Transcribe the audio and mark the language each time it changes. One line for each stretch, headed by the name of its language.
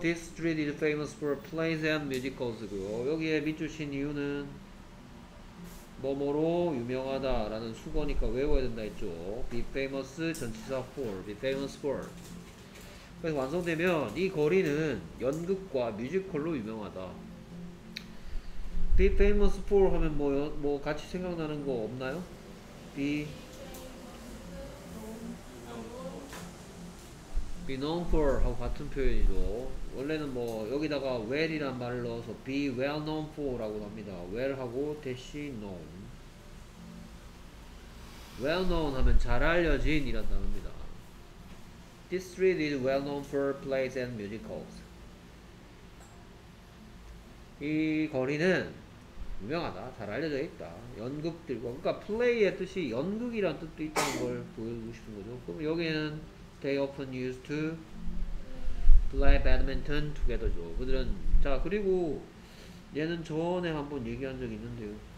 English: This street is famous for plays and musicals.
Korean: 여기에 밑주신 이유는 뭐뭐로 유명하다 라는 수거니까 외워야 된다 했죠.
English: Be famous 전치사 for. Be famous for.
Korean: 그래서 완성되면 이 거리는 연극과 뮤지컬로 유명하다.
English: Be famous for
Korean: 하면 뭐 같이 생각나는 거 없나요?
English: Be known for
Korean: 하고 같은 표현이죠. 원래는 뭐 여기다가 well 이란 말을 넣어서
English: be well known for
Korean: 라고 합니다. well 하고 대시 known.
English: well known
Korean: 하면 잘 알려진 이란 단어입니다.
English: This street is well known for plays and musicals.
Korean: 이 거리는 유명하다, 잘 알려져 있다. 연극들과, 그러니까 play의 뜻이 연극이란 뜻도 있다는 걸 보여주고 싶은 거죠. 그럼 여기는
English: they often used to play badminton together죠.
Korean: 그들은 자 그리고 얘는 전에 한번 얘기한 적 있는데요.